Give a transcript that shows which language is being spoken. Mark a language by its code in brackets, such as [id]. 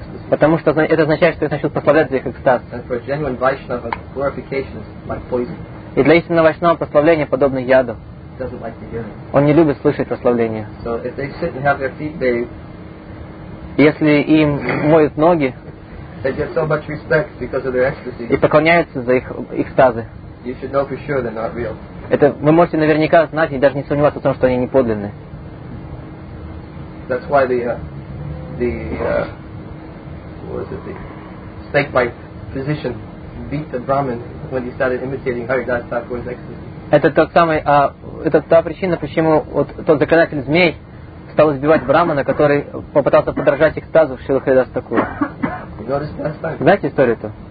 [ru] Потому что это означает, что их начнут прославлять за их экстаз. И для истинного вайшнава прославление подобно яду. [en] doesn't like to hear it. [ru] Он не любит слышать прославление. [en] So if they sit and have their feet bathed, [ru] если им моют ноги, [en] they get so much respect because of their ecstasy. [ru] И поклоняются за их экстазы. [en] You should know for sure they're not real. [ru] Это вы можете наверняка знать и даже не сомневаться в том, что они не подлинны. [en] That's why the snake bite physician beat the Brahmin when he started imitating Haridas Thakur's ecstasy. [ru] Это тот самый, это та причина, почему вот тот законодатель змей стал избивать Брахмана, который попытался подражать экстазу Шрилы Харидаса Такура. Знаете историю-то?